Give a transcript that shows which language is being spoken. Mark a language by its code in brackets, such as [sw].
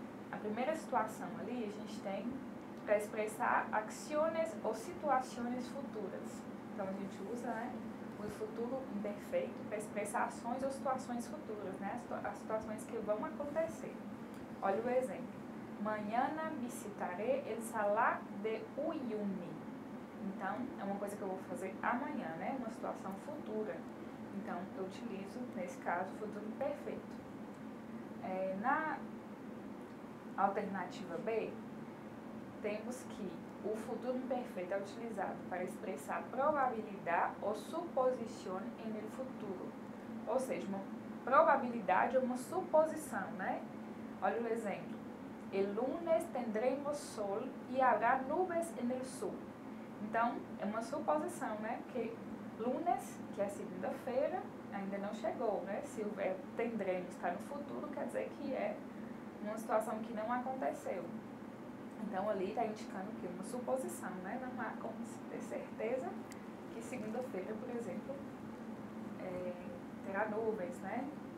[pt] A primeira situação ali a gente tem para expressar acciones ou situações futuras. Então a gente usa, né, o futuro imperfeito para expressar ações ou situações futuras, né, as situações que vão acontecer. Olha o exemplo. [es] Mañana visitaré el salar de Uyuni. [pt] Então, é uma coisa que eu vou fazer amanhã, né? Uma situação futura. Então, eu utilizo, nesse caso, o futuro imperfeito. Na alternativa B, temos que o futuro imperfeito é utilizado para expressar probabilidade ou suposição em el futuro. Ou seja, uma probabilidade ou uma suposição, né? Olha o exemplo. [es] El lunes tendremos sol y habrá nubes en el sur. [pt] Então, é uma suposição, né? Que lunes, que é segunda-feira, ainda não chegou, né? Se o verbo tendremos está no futuro, quer dizer que é uma situação que não aconteceu. Então, ali está indicando que é uma suposição, né? Não há como ter certeza que segunda-feira, por exemplo, terá nuvens, né?